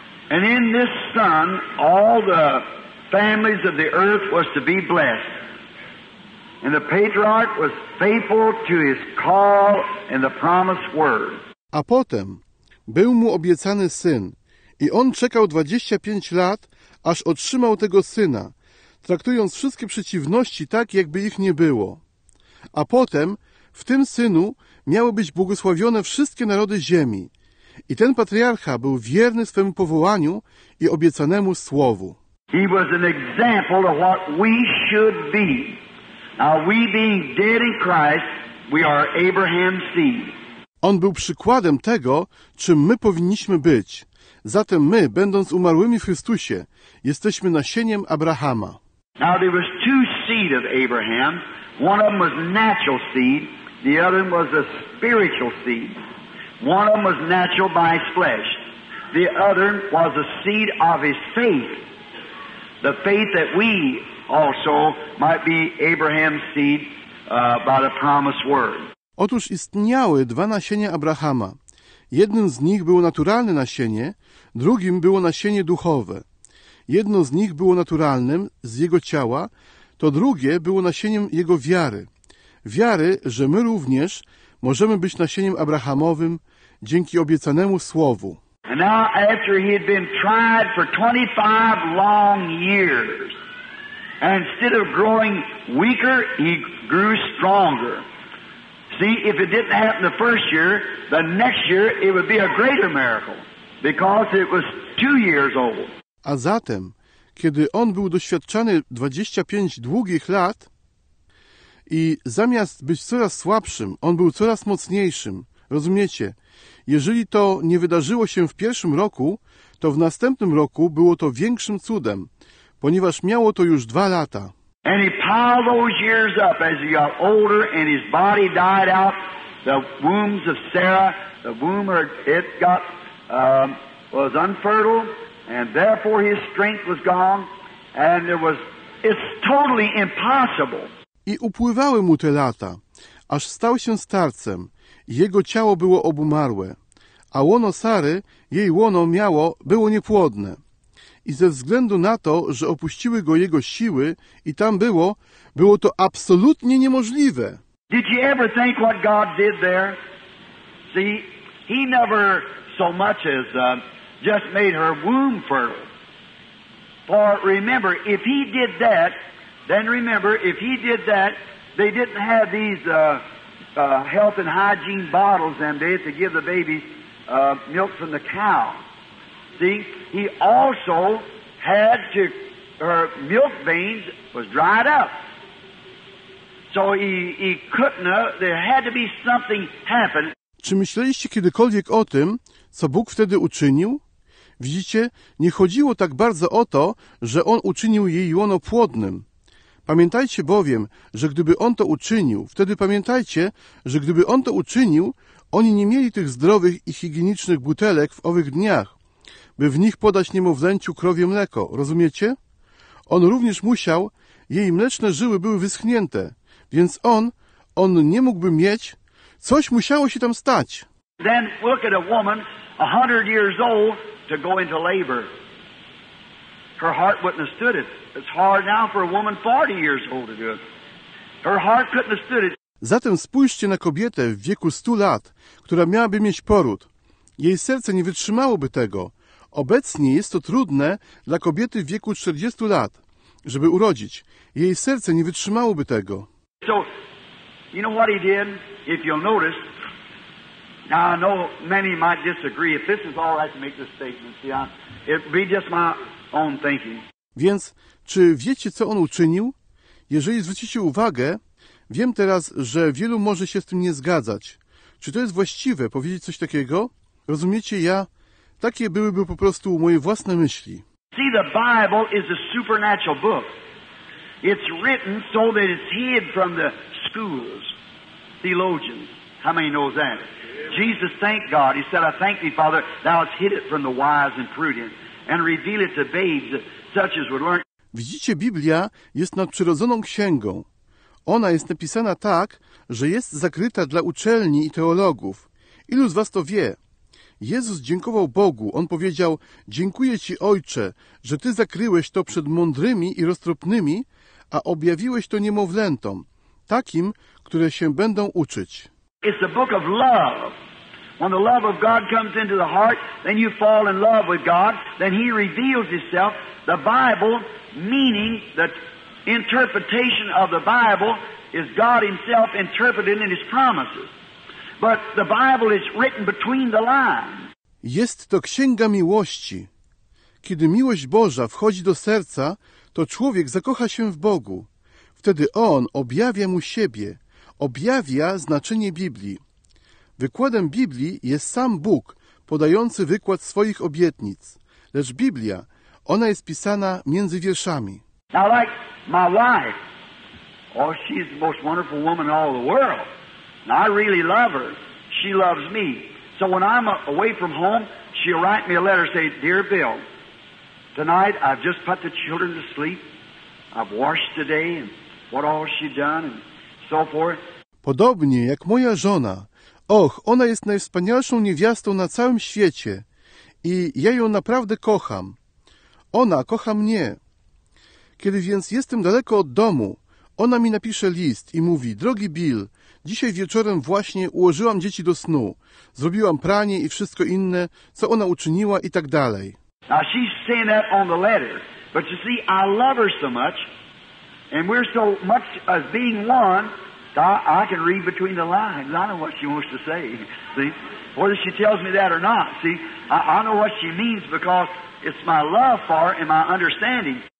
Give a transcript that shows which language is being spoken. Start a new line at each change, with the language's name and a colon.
English: And in this son, all the families of the earth was to be blessed. And the patriarch was faithful to his call and the promised word.
Polish: A potem był mu obiecany syn i on czekał 25 lat, aż otrzymał tego syna, traktując wszystkie przeciwności tak, jakby ich nie było. A potem w tym synu miały być błogosławione wszystkie narody ziemi i ten patriarcha był wierny swemu powołaniu i obiecanemu słowu.
English: He was an example of what we should be. Now we being dead in Christ, we are Abraham's seed.
Polish: On był przykładem tego, czym my powinniśmy być. Zatem my, będąc umarłymi w Chrystusie, jesteśmy nasieniem Abrahama.
English: Now there was two seed of Abraham. One of them was natural seed, The other was a spiritual seed. One of them was natural by his flesh. The other was a seed of his faith. The faith that we also might be Abraham's seed by the promised word.
Polish: Otóż istniały dwa nasienia Abrahama. Jednym z nich było naturalne nasienie, drugim było nasienie duchowe. Jedno z nich było naturalnym, z jego ciała, to drugie było nasieniem jego wiary. Wiary, że my również możemy być nasieniem Abrahamowym dzięki obiecanemu Słowu.
English: And now after he had been tried for 25 long years, and instead of growing weaker, he grew stronger. See, if it didn't happen the first year, the next year it would be a greater miracle, because it was 2 years old.
Polish: A zatem, kiedy on był doświadczany 25 długich lat i zamiast być coraz słabszym, on był coraz mocniejszym, rozumiecie? Jeżeli to nie wydarzyło się w pierwszym roku, to w następnym roku było to większym cudem, ponieważ miało to już 2 lata.
English: And he piled those years up as he got older and his body died out. The wombs of Sarah, the womb it got, was unfertile. And therefore his strength was gone, and there was, it's totally impossible.
Polish: I upływały mu te lata, aż stał się starcem, jego ciało było obumarłe, a łono Sary, jej łono miało, było niepłodne. I ze względu na to, że opuściły go jego siły i tam było, było to absolutnie niemożliwe.
English: Did you ever think what God did there? See, he never so much as just made her womb fertile. For remember, if he did that, then remember, if he did that, they didn't have these health and hygiene bottles them days to give the babies milk from the cow. See, he also had to, her milk veins was dried up. So he couldn't, there had to be something happen.
Polish: Czy myśleliście kiedykolwiek o tym, co Bóg wtedy uczynił? Widzicie, nie chodziło tak bardzo o to, że on uczynił jej łono płodnym. Pamiętajcie bowiem, że gdyby on to uczynił, wtedy pamiętajcie, że gdyby on to uczynił, oni nie mieli tych zdrowych i higienicznych butelek w owych dniach, by w nich podać niemowlęciu krowie mleko, rozumiecie? On również musiał, jej mleczne żyły były wyschnięte, więc on nie mógłby mieć, coś musiało się tam stać.
English: Then look at a woman, 100 years old, to go into labor. Her heart wouldn't have stood it. It's hard now for a woman 40 years old to do it. Her heart couldn't have stood it.
Polish: Zatem spójrzcie na kobietę w wieku 100 lat, która miałaby mieć poród. Jej serce nie wytrzymałoby tego. Obecnie jest to trudne dla kobiety w wieku 40 lat, żeby urodzić. Jej serce nie wytrzymałoby tego.
English: So, you know what he did? If you'll notice, now I know many might disagree. If this is all I can make this statement, see, it be just my own thinking.
Polish: Więc, czy wiecie, co on uczynił? Jeżeli zwrócicie uwagę, wiem teraz, że wielu może się z tym nie zgadzać. Czy to jest właściwe powiedzieć coś takiego? Rozumiecie, ja? Takie byłyby po prostu moje własne myśli.
English: See, the Bible is a supernatural book. It's written so that it's hid from the schools, theologians. How many knows that? Jesus thanked God. He said, I thank thee, Father, thou hast hid it from the wise and prudent, and reveal it to babes such as would learn.
Polish: Widzicie, Biblia jest nadprzyrodzoną księgą. Ona jest napisana tak, że jest zakryta dla uczelni i teologów. Ilu z was to wie? Jezus dziękował Bogu. On powiedział, dziękuję Ci, Ojcze, że Ty zakryłeś to przed mądrymi i roztropnymi, a objawiłeś to niemowlętom, takim, które się będą uczyć.
English: It's a book of love. When the love of God comes into the heart, then you fall in love with God, then He reveals Himself. The Bible, meaning that interpretation of the Bible is God Himself interpreting in His promises. But the Bible is written between the lines.
Polish: Jest to księga miłości. Kiedy miłość Boża wchodzi do serca, to człowiek zakocha się w Bogu. Wtedy On objawia mu siebie, objawia znaczenie Biblii. Wykładem Biblii jest sam Bóg, podający wykład swoich obietnic. Lecz Biblia, ona jest pisana między wierszami.
English: Now, like my wife, oh, she's the most wonderful woman in all the world. And I really love her. She loves me. So when I'm away from home, she'll write me a letter and say, "Dear Bill, tonight I've just put the children to sleep. I've washed today and what all she done and so forth."
Polish: Podobnie jak moja żona. Och, ona jest najwspanialszą niewiastą na całym świecie i ja ją naprawdę kocham. Ona kocha mnie. Kiedy więc jestem daleko od domu, ona mi napisze list i mówi: "Drogi Bill, dzisiaj wieczorem właśnie ułożyłam dzieci do snu. Zrobiłam pranie i wszystko inne, co ona uczyniła i tak dalej."
English: Now she's saying that on the letter, but you see, I love her so much, and we're so much as being one, that I can read between the lines. I know what she wants to say, see? Whether she tells me that or not, see? I know what she means because it's my love for her and my understanding.